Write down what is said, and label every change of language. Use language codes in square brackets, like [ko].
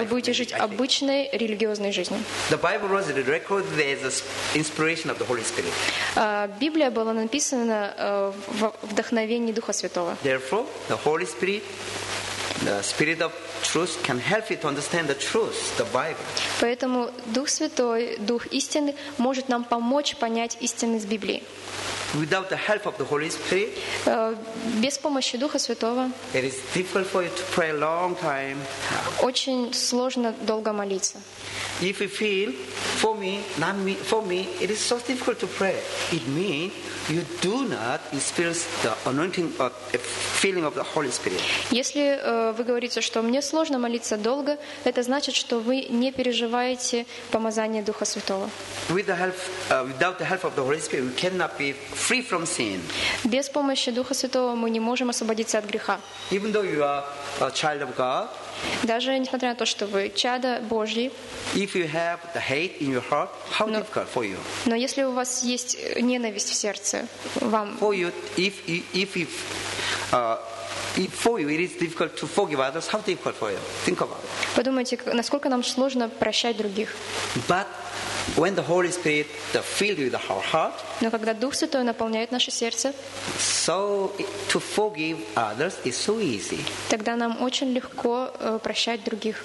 [ru] вы будете жить обычной религиозной жизнью. [en] The Bible was recorded as the inspiration of the Holy Spirit. [ru] Библия была написана в вдохновении Духа Святого. [en] Therefore, the Holy Spirit, the Spirit of truth, can help you to understand the truth, the Bible. [ru] Поэтому Дух Святой, Дух истины, может нам помочь понять истины из Библии. [en] Without the help of the Holy Spirit, [ru] без помощи Духа Святого, [en] it is difficult for you to pray a long time. [ru] Очень сложно долго молиться. [en] If you feel, for me, it is so difficult to pray. It means you do not experience the anointing or the feeling of the Holy Spirit. [ru] Если вы говорите, что мне сложно молиться долго, это значит, что вы не переживаете помазание Духа Святого. [en] Without the help of the Holy Spirit, we cannot be free from sin. [ru] Без помощи Духа Святого мы не можем освободиться от греха. [en] Even though you are a child of God, [ru] даже несмотря на то, что вы чадо Божье, но если у вас есть ненависть в сердце, вам... [en] For you, it is difficult to forgive others. How difficult for you? Think about it. [ru] Подумайте, насколько нам сложно прощать других. [en] But when the Holy Spirit fills you with our heart, [ru] но когда Дух Святой наполняет наше сердце, [en] so to forgive others is so easy. [ru] Тогда нам очень легко прощать других.